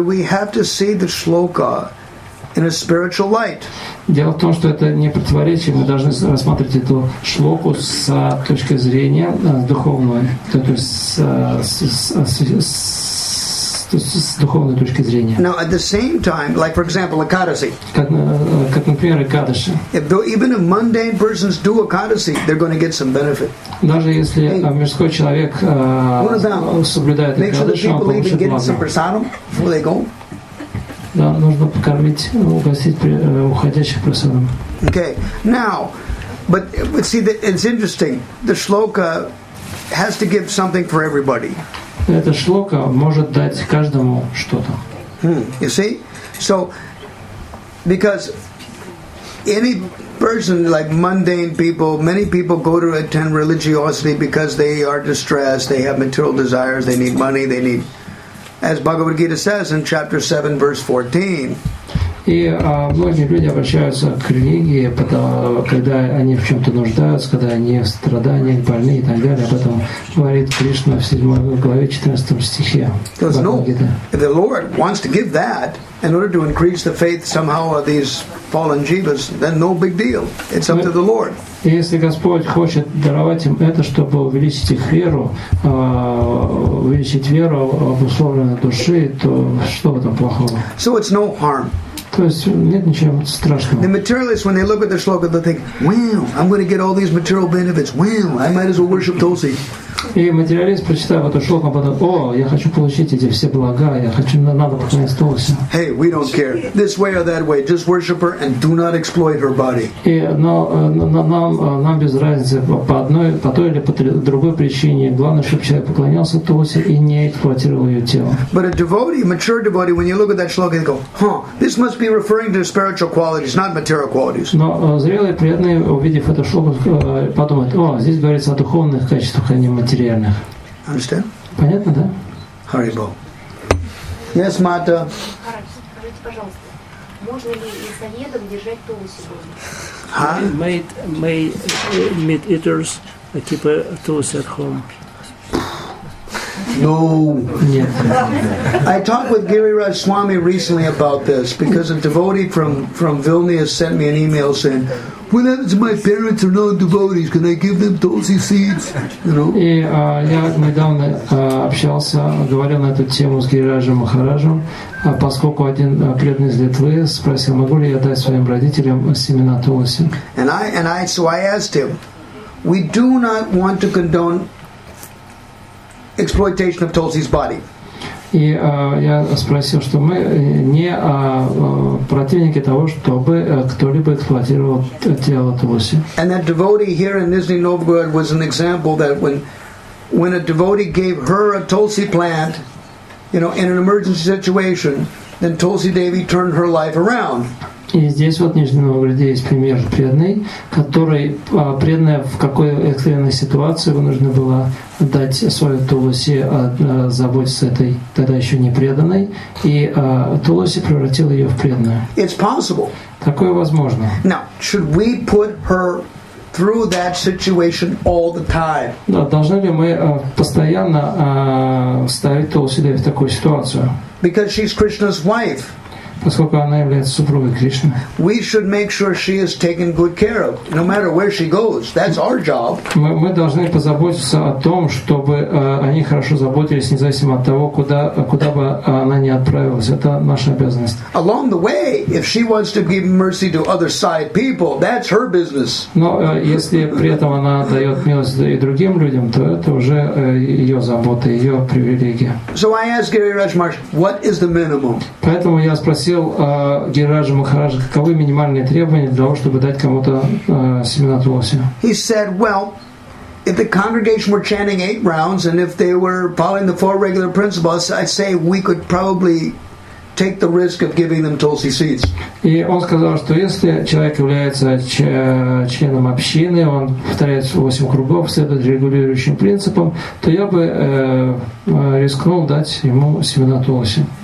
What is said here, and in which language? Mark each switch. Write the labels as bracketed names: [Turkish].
[English] We have to see the shloka in a spiritual light. [Russian] Дело в том, что это не противоречие. Мы должны рассматривать эту шлоку с точки зрения духовной, то есть с духовной точки зрения. [English] Now at the same time, like for example, Akadasi. [Russian] Как например, Акадаши. [English] Even if mundane persons do Akadasi, they're going to get some benefit. [Russian] Даже если мирской человек соблюдает Акадаши, он получит благо. Да, нужно покормить, угостить уходящих просадам. [English] Okay, now, but see, it's interesting. The shloka has to give something for everybody. [Russian] Эта шлока может дать каждому что-то. [English] You see? So, because any person, like mundane people, many people go to attend religiosity because they are distressed, they have material desires, they need money, they need... As Bhagavad Gita says in chapter 7, verse 14. [Russian] И многие люди обращаются к религии, когда они в чем-то нуждаются, когда они в страданиях, больны и так далее. Об этом говорит Кришна в 7 главе 14 стихе. [English] If the Lord wants to give that in order to increase the faith somehow of these fallen jivas, then no big deal. It's up to the Lord. [Russian] Если Господь хочет даровать им это, чтобы увеличить их веру, увеличить веру обусловленной души, то что в этом плохого? [English] So it's no harm. [Russian] То есть нет ничего страшного. [English] The materialists, when they look at the shloka, they think, wow, I'm going to get all these material benefits. Wow, I might as well worship Tulsi. [Russian] И материалист, прочитав эту шлоку, подумает, о, я хочу получить эти все блага, я хочу, надо поклоняться Тулси. [English] Hey, we don't care. This way or that way, just worship her and do not exploit her body. [Russian] И, нам без разницы, по той или по другой причине, главное, чтобы человек поклонялся Тулси и не эксплуатировал ее тело. [English] But a devotee, a mature devotee, when you look at that shloka, they go, huh, this must be referring to spiritual qualities, not material qualities. [Russian] Но зрелый, преданный, увидев эту шлоку, подумает, о, здесь говорится о духовных качествах, а не материальных. [English] Understand? [Russian] Понятно, да? [English] Hare Bol. Yes, Mata. Huh? May meat eaters keep a tulsi at home. No. Yes. I talked with Giriraj Swami recently about this because a devotee from Vilnius sent me an email saying, what happens if my parents are non-devotees? Can I give them tulsi seeds? [Russian] И я недавно общался, говорил на эту тему с Гирираджем Махараджем, поскольку один преданный из Литвы спросил, могу ли я дать своим родителям семена тулси. [English] And I asked him, we do not want to condone exploitation of Tulsi's body. [Russian] И я спросил, что мы не противники того, чтобы кто-либо эксплуатировал тело Тулси. [English] And that devotee here in Nizhny Novgorod was an example that when a devotee gave her a Tulsi plant, you know, in an emergency situation, then Tulsi Devi turned her life around. [Russian] И здесь вот в Нижнем Новгороде есть пример преданной, который преданная в какой экстренной ситуации вынуждена была дать свою тулоси заботиться этой тогда еще не преданной, и тулоси превратил ее в преданную. [English] It's possible. [Russian] Такое возможно. [English] Now, should we put her through that situation all the time? [Russian] Да, должны ли мы постоянно ставить тулоси в такую ситуацию? [English] Because she's Krishna's wife. [Russian] Поскольку она является супругой Кришны. [English] We should make sure she is taken good care of, no matter where she goes. That's our job. [Russian] Мы должны позаботиться о том, чтобы они хорошо заботились, независимо от того, куда бы она ни отправилась. Это наша обязанность. [English] Along the way, if she wants to give mercy to other side people, that's her business. [Russian] Но если при этом она дает милость и другим людям, то это уже ее забота, ее привилегия. [English] So I ask Giriraj Maharaj, what is the minimum? [Russian] Поэтому я спросил Гирираджа Махараджа, каковы минимальные требования для того, чтобы дать кому-то семена тулоси. [English] He said, well, if the congregation were chanting 8 rounds and if they were following the 4 regular principles, I'd say we could probably take the risk of giving them tulsi seeds. [Russian] И он сказал, что если человек является членом общины, он повторяет 8 кругов, следует регулирующим принципам, то я бы рискнул дать ему семена тулоси.